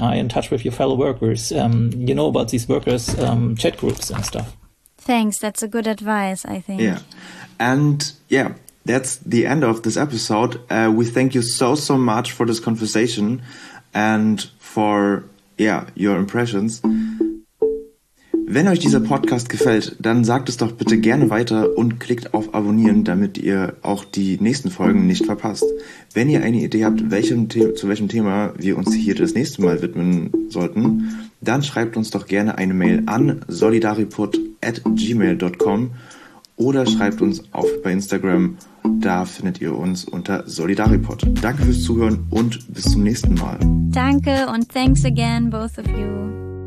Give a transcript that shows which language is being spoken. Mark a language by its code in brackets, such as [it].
[en] Are you in touch with your fellow workers? You know about these workers' chat groups and stuff. Thanks. That's a good advice, I think. Yeah. And yeah, that's the end of this episode. We thank you so, so much for this conversation and for, yeah, your impressions. [de] Wenn euch dieser Podcast gefällt, dann sagt es doch bitte gerne weiter und klickt auf Abonnieren, damit ihr auch die nächsten Folgen nicht verpasst. Wenn ihr eine Idee habt, zu welchem Thema wir uns hier das nächste Mal widmen sollten, dann schreibt uns doch gerne eine Mail an solidarreport@gmail.com oder schreibt uns auf bei Instagram. Da findet ihr uns unter solidarreport. Danke fürs Zuhören und bis zum nächsten Mal. Danke und [en] thanks again, both of you.